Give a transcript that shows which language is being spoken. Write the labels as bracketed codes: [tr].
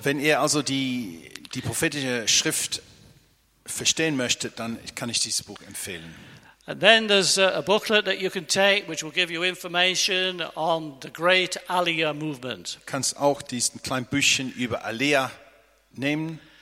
[de] Wenn ihr also die prophetische Schrift verstehen möchtet, dann kann ich dieses Buch empfehlen. [en] And then there's a booklet that you can take, which will give you information on the Great Aliyah Movement. [de] Kannst auch diesen kleinen Büchchen über Aliyah nehmen.